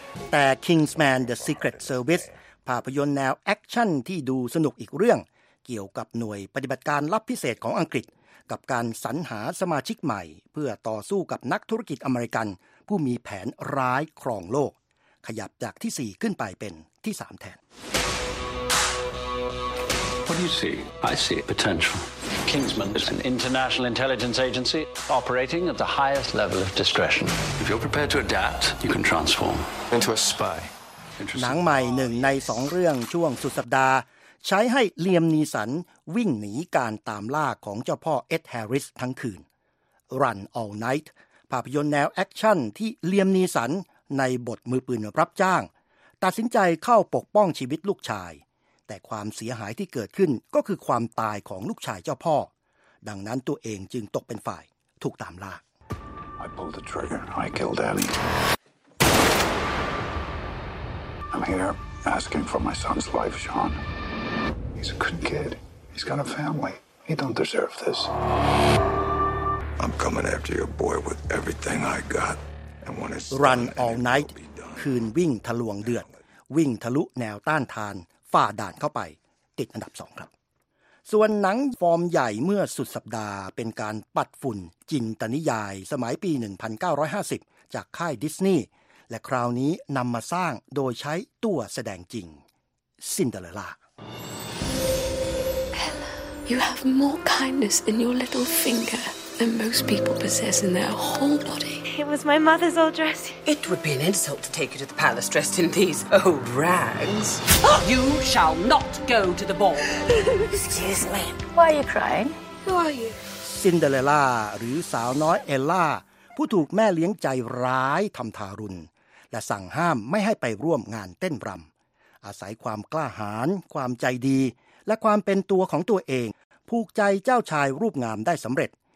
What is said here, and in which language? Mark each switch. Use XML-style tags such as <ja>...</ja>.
<th>แต่ Kingsman The Secret Service ภาพยนตร์แนวแอคชั่นที่ดูสนุกอีกเรื่องเกี่ยวกับหน่วยปฏิบัติการลับพิเศษของอังกฤษกับการสรรหาสมาชิกใหม่เพื่อต่อสู้กับนักธุรกิจอเมริกันผู้มีแผนร้ายครองโลกขยับจากที่4ขึ้นไปเป็นที่3แทน</th> <en>What do you see? I see potential. Kingsman is an international intelligence agency operating at the highest level of discretion. If you're prepared to adapt, you can transform into a spy.</en> <th>หนังใหม่1ใน2เรื่องช่วงสุดสัปดาห์ใช้ให้เลียมนีสันวิ่งหนีการตามล่าของเจ้าพ่อเอ็ดแฮร์ริสทั้งคืน Run All Night ภาพยนตร์แนวแอคชั่นที่เลียมนีสันในบทมือปืนรับจ้างตัดสินใจเข้าปกป้องชีวิตลูกชายแต่ความเสียหายที่เกิดขึ้นก็คือความตายของลูกชายเจ้าพ่อดังนั้นตัวเองจึงตกเป็นฝ่ายถูกตามล่า</th> <en>I pulled the trigger I killed Ellie I'm here asking for my son's life Sean He's a good kid. He's got a family. He don't deserve this. I'm coming after your boy with everything I got. And when it's</en> <th>Run All Night คืนวิ่งทะลวงเดือดวิ่งทะลุแนวต้านทานฝ่าด่านเข้าไปติดอันดับ2ครับส่วนหนังฟอร์มใหญ่เมื่อสุดสัปดาห์เป็นการปัดฝุ่นจินตนิยายสมัยปี1950จากค่ายดิสนีย์และคราวนี้นำมาสร้างโดยใช้ตัวแสดงจริงซินเดอเรลล่า</th> <en>You have more kindness in your little finger than most people possess in their whole body. It was my mother's old dress. It would be an insult to take you to the palace dressed in these old rags. You shall not go to the ball. Excuse me. Why are you crying? Who are you?</en> <th>Cinderella, หรือสาวน้อยเอลล่าผู้ถูกแม่เลี้ยงใจร้ายทำทารุณและสั่งห้ามไม่ให้ไปร่วมงานเต้นรำอาศัยความกล้าหาญความใจดีและความเป็นตัวของตัวเองผูกใจเจ้าชายรูปงามได้สำเร็จ</th>